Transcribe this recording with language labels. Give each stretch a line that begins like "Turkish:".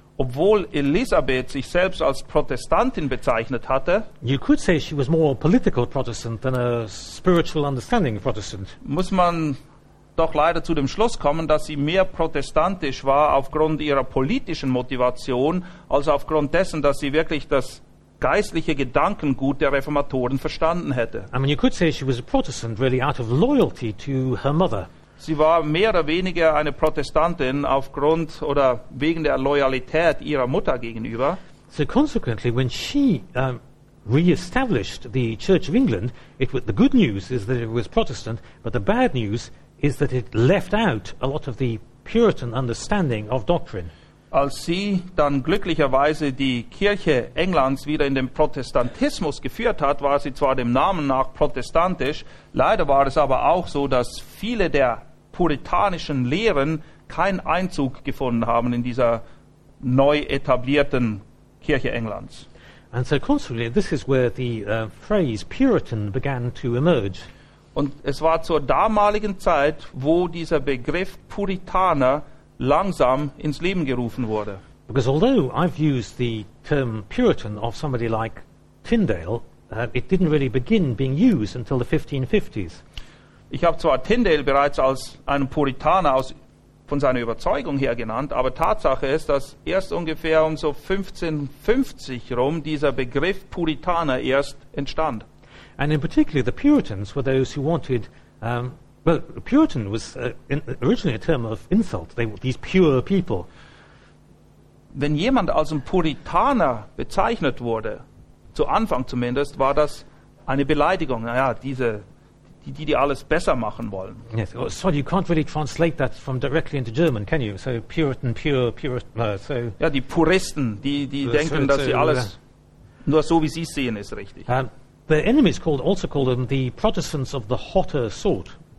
German: obwohl Elisabeth sich selbst als Protestantin bezeichnet hatte,
English: you could say she was more political Protestant than a spiritual understanding Protestant.
German: Muss man doch leider zu dem Schluss kommen, dass sie mehr protestantisch war aufgrund ihrer politischen Motivation, als aufgrund dessen, dass sie wirklich das geistliche Gedankengut der Reformatoren verstanden hätte.
English: I mean, you could say she was a Protestant really out of loyalty to her mother.
German: Sie war mehr oder weniger eine Protestantin aufgrund oder wegen der Loyalität ihrer Mutter gegenüber.
English: So consequently, when she re-established the Church of England, the good news is that it was Protestant, but the bad news is that it left out a lot of the Puritan understanding of doctrine.
German: Als sie dann glücklicherweise die Kirche Englands wieder in den Protestantismus geführt hat, war sie zwar dem Namen nach protestantisch, leider war es aber auch so, dass viele der puritanischen Lehren keinen Einzug gefunden haben in dieser neu etablierten Kirche Englands.
English: And so consequently, this is where the phrase Puritan began to emerge.
German: Und es war zur damaligen Zeit, wo dieser Begriff Puritaner langsam ins Leben gerufen wurde.
English: Because although I've used the term Puritan of somebody like Tyndale, it didn't really begin being used until the 1550s.
German: Ich habe zwar Tyndale bereits als einen Puritaner von seiner Überzeugung her genannt, aber Tatsache ist, dass erst ungefähr um so 1550 rum dieser Begriff Puritaner erst entstand.
English: And in particular the Puritans were those who wanted well, Puritan was originally a term of insult. These pure people.
German: Wenn jemand als ein Puritaner bezeichnet wurde, zu Anfang zumindest, war das eine Beleidigung. Naja, die alles besser machen wollen.
English: Yes, well, sorry, you can't really translate that from directly into German, can you? So Puritan, pure, Puritan. So
German: ja, die Puristen, die denken, dass sie alles nur so, wie sie es sehen, ist richtig.
English: Their enemies called them the Protestants of the hotter sort.